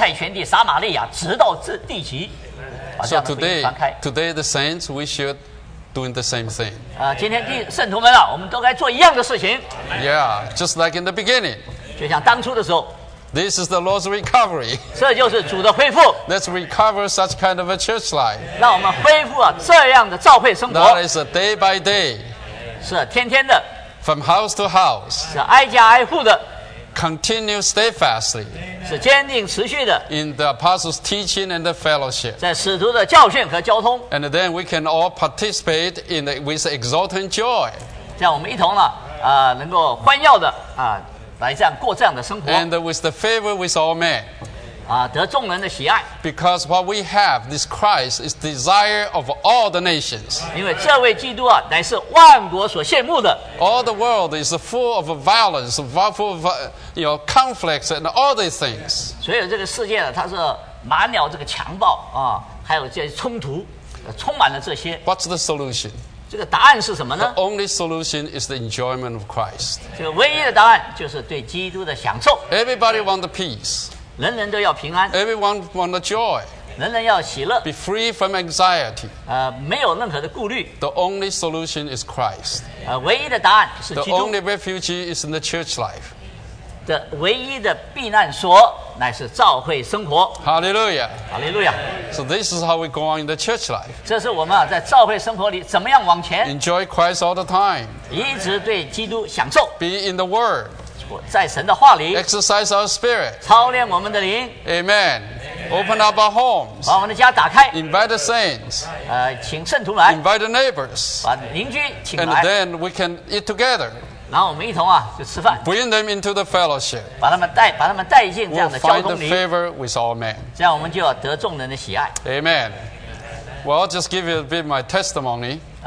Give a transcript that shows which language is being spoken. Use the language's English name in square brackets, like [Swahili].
[Chinese] 照着神的话，这个蓝图就是他们从耶路撒冷、犹太全地、撒玛利亚，直到这地极。 [English] So today the saints, we should do the same thing. [Chinese] 今天圣徒们啊，我们都该做一样的事情。 [English] Yeah, just like in the beginning. [Chinese] 就像当初的时候。 [English] This is the Lord's recovery. [Chinese] 这就是主的恢复。 [English] Let's recover such kind of a church life. [Chinese] 让我们恢复啊这样的教会生活。 [English] That is a day by day. [Chinese] 是天天的。 [English] From house to house. [Chinese] 是挨家挨户的。 [English] Continue steadfastly. [Chinese] 是坚定持续的。 [English] In the apostles' teaching and the fellowship. [Chinese] 在使徒的教训和交通。 [English] And then we can all participate in the, with exultant joy. [Chinese] 让我们一同啊，能够欢耀的啊。 [English] And with the favor with all men. [Chinese] 得众人的喜爱。 [English] Because what we have, this Christ, is the desire of all the nations. [Chinese] 因为这位基督啊, 乃是万国所羡慕的。 [English] All the world is full of violence, full of, you know, conflicts and all these things. [Chinese] 所以这个世界啊, 它是满了这个强暴, 啊, 还有这些冲突, 充满了这些。 [English] What's the solution? [Chinese] 这个答案是什么呢? [English] The only solution is the enjoyment of Christ. [Chinese] 这个唯一的答案就是对基督的享受。 [English] Everybody want the peace. [Chinese] 人人都要平安。 [English] Everyone want the joy. [Chinese] 人人要喜乐。 [English] Be free from anxiety. [Chinese] 没有任何的顾虑。 [English] The only solution is Christ. [Chinese] 唯一的答案是基督。 [English] The only refuge is in the church life. [Chinese] 唯一的避难所乃是教会生活。 [English] Hallelujah. Hallelujah. So this is how we go on in the church life. [Chinese] 这是我们在教会生活里怎么样往前。 [English] Enjoy Christ all the time. [Chinese] 一直对基督享受。 [English] Be in the word. [Chinese] 在神的话里。 [English] Exercise our spirit. [Chinese] 操练我们的灵。 [English] Amen. Open up our homes. [Chinese] 把我们的家打开。 [English] Invite the saints. [Chinese] 请圣徒来。 [English] Invite the neighbors. [Chinese] 把邻居请来。 [English] And then we can eat together. [Chinese] 然后我们一同啊就吃饭。 [English] Bring them into the fellowship. [Chinese] 把他们带进这样的交通里。 [English] We'll find the favor with all men. [Chinese] 这样我们就要得众人的喜爱。 [English] Amen. Well, I'll just give you a bit of my testimony.